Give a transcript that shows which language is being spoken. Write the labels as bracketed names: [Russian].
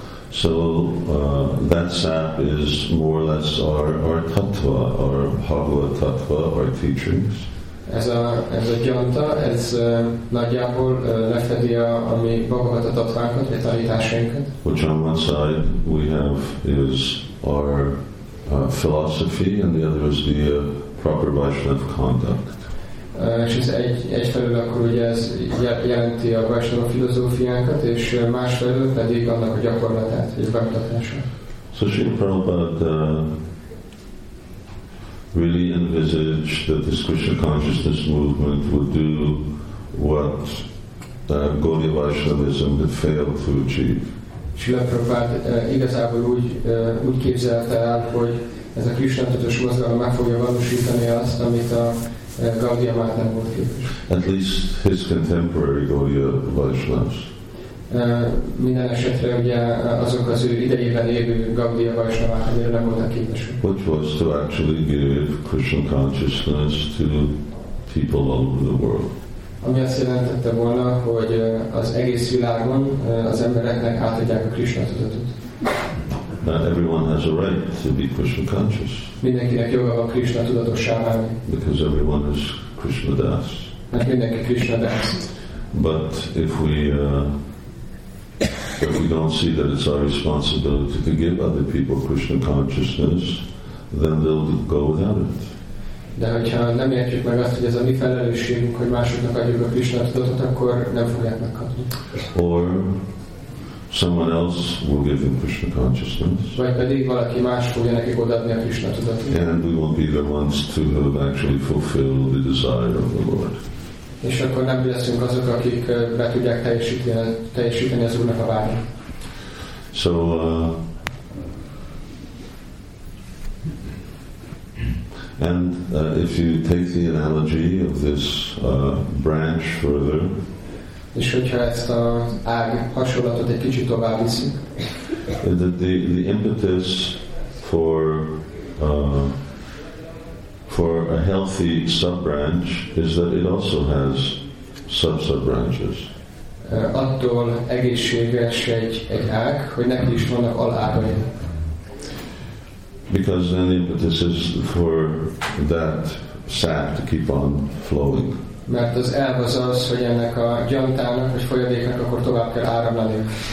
[English] So that sap is more or less our tattva, our bhagava tattva, our teachings. [Hungarian] Ez a gyanta, ez nagyjából lefedi a mi magukat a tatvánkat, vagy tanításainkat. [English] Which on one side we have is our philosophy, and the other is the proper Vaishnava conduct. [Hungarian] És ez egyfelől akkor ugye ez jelenti a Vaisnava filozófiánkat, és másfelől pedig annak a gyakorlatát, vagy a bemutatását. [English] So Srila Prabhupada really envisaged that this Krishna consciousness movement would do what Gaudiya Vaishnavism had failed to achieve. [Hungarian] Srila Prabhupada igazából úgy képzelte el, hogy ez a Krishna tudatos mozgalom meg fogja valósítani azt, amit a Gaudiya már nem volt képes. [English] At least his contemporary Gaudiya Vaishnavas. [Hungarian] Minden esetre ugye azok az ő idejében élő Gaudiya Vaishnavák azért nem voltak képesek. [English] Which was to actually give Krishna consciousness to people all over the world. [Hungarian] Ami azt jelentette volna, hogy az egész világon az embereknek átadják a Krishna tudatot. [English] Not everyone has a right to be Krishna conscious. [Hungarian] Mindenkinek joga van Krishna tudatossá válni. [English] Because everyone is Krishna das. [Hungarian] Mert mindenki Krishna das. [English] But if we don't see that it's our responsibility to give other people Krishna consciousness, then they'll go without it. [Hungarian] De hogyha nem értjük meg azt, hogy ez a mi felelősségünk, hogy másoknak adjuk a Krishna tudatot, akkor nem fogják megkapni. [English] Or someone else will give them Krishna consciousness. [Hungarian] Vagy pedig valaki más fogja nekik odaadni a Krishna tudatot. [English] And we won't be the ones to have actually fulfilled the desire of the Lord. [Hungarian] És akkor nem leszünk azok, akik be tudják teljesíteni az Úrnak a vágyát. [English] So, and if you take the analogy of this branch further, [Hungarian] és hogyha ezt az ág hasonlatot egy kicsit tovább viszünk, [English] the impetus for a healthy sub-branch is that it also has sub-sub-branches. [Hungarian] Attól egészséges egy ág, hogy neki is vannak alágai. [English] Because then the impetus is for that sap to keep on flowing. [Hungarian] Mert az elv az az, hogy ennek a gyantának, vagy folyadéknak akkor tovább kell áramlani.